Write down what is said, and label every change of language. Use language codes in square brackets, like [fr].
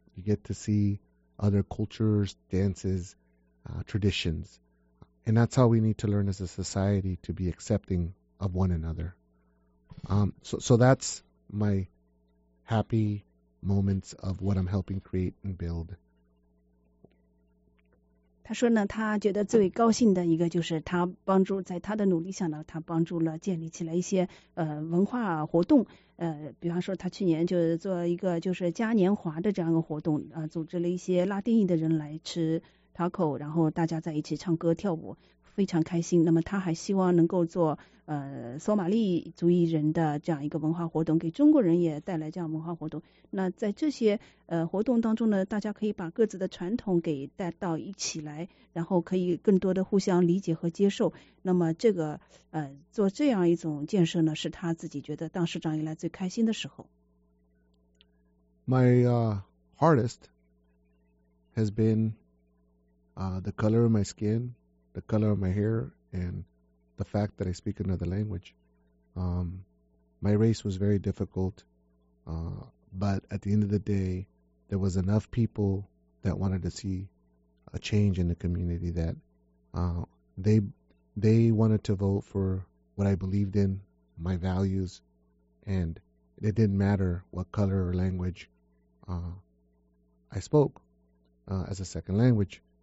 [en] You get to see other cultures, dances, traditions. And that's how we need to learn as a society to be accepting of one another. So that's my happy moments of what I'm helping create and build. [zh] 他说呢，他觉得最高兴的一个就是他帮助，在他的努力下呢，他帮助了建立起来一些文化活动，比方说他去年就做一个就是嘉年华的这样一个活动，组织了一些拉丁裔的人来吃taco，然后大家在一起唱歌跳舞，非常开心。那么他还希望能够做索马利族裔人的这样一个文化活动，给中国人也带来这样文化活动。那在这些活动当中呢，大家可以把各自的传统给带到一起来，然后可以更多的互相理解和接受。那么这个做这样一种建设呢，是他自己觉得当市长以来最开心的时候。 [en] My hardest has beenthe color of my skin, the color of my hair, and the fact that I speak another language. My race was very difficult, but at the end of the day, there was enough people that wanted to see a change in the community that they wanted to vote for what I believed in, my values, and it didn't matter what color or language I spoke as a second language.